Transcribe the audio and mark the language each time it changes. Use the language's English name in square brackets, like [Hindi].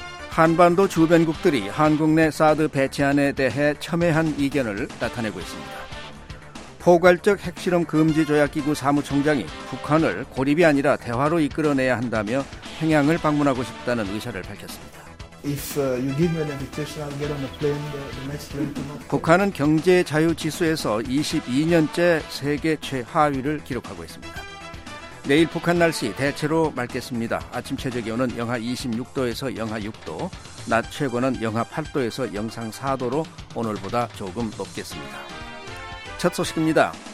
[Korean] 한반도 주변국들이 한국 내 사드 배치안에 대해 첨예한 이견을 나타내고 있습니다. 포괄적 핵실험 금지 조약기구 사무총장이 북한을 고립이 아니라 대화로 이끌어내야 한다며 평양을 방문하고 싶다는 의사를 밝혔습니다. [English] If you give me an invitation, I'll get on a plane the next plane tomorrow. [Korean] 북한은 경제 자유 지수에서 22년째 세계 최하위를 기록하고 있습니다. 내일 북한 날씨 대체로 맑겠습니다. 아침 최저 기온은 영하 26도에서 영하 6도, 낮 최고는 영하 8도에서 영상 4도로 오늘보다 조금 높겠습니다. 첫 소식입니다.